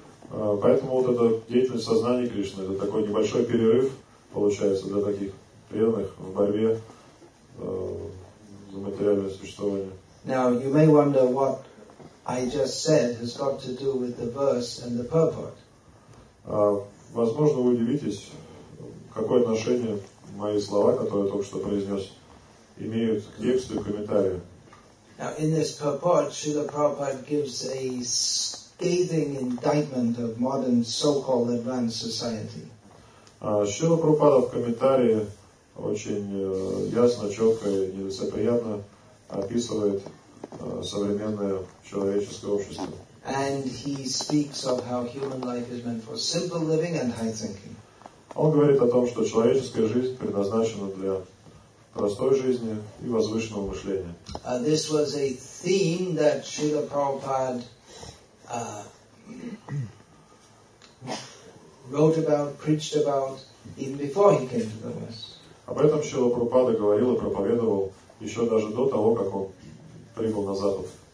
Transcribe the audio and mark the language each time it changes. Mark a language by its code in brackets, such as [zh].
[ru] Поэтому вот эта деятельность сознания Кришны, это такой небольшой перерыв получается для таких преданных в борьбе за материальное существование. [en] Now you may wonder what I just said has got to do with the verse and the purport. [ru] Возможно, вы удивитесь, какое отношение мои слова, которые я только что произнес, имеют к тексту и комментарию. [en] Now, in this purport, Srila Prabhupada gives a scathing indictment of modern so-called advanced society. [ru] Srila Prabhupada в комментарии очень ясно, четко и нелицеприятно описывает современное человеческое общество. [en] And he speaks of how human life is meant for simple living and high thinking. [ru] Он говорит о том, что человеческая жизнь предназначена для простой жизни и возвышенного мышления. [en] This was a theme that Srila Prabhupada wrote about, preached about, even before he came to the West. [ru] Об этом Шрила Прабхупада говорил и проповедовал еще даже до того, как он прибыл на Запад.